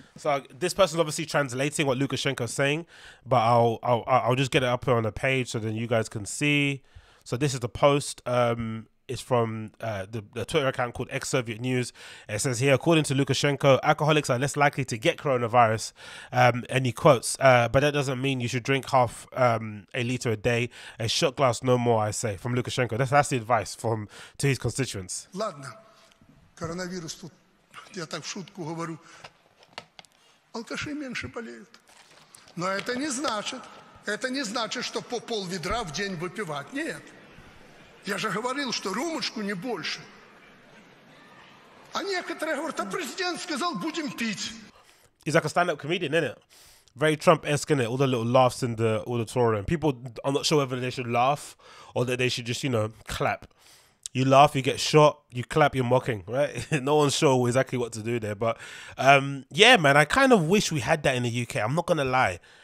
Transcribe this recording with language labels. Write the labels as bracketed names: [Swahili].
[English] So this person's obviously translating what Lukashenko's saying, but I'll just get it up here on the page so then you guys can see. So this is the post. It's from the Twitter account called Ex-Soviet News. It says here, according to Lukashenko, alcoholics are less likely to get coronavirus. And he quotes, but that doesn't mean you should drink half a liter a day. A shot glass, no more, I say, from Lukashenko. That's the advice to his constituents. [Russian] Ладно, коронавирус тут, я так в шутку говорю, алкаши меньше болеют. Но это не значит, что по пол ведра в день выпивать. Нет. Я же говорил, что рюмочку не больше. А некоторые говорят, а президент сказал, будем пить. [English] He's like a stand-up comedian, isn't it? Very Trump-esque, isn't it? All the little laughs in the auditorium. People, I'm not sure whether they should laugh or that they should just, you know, clap. You laugh, you get shot, you clap, you're mocking, right? No one's sure exactly what to do there. But yeah, man, I kind of wish we had that in the UK. I'm not going to lie.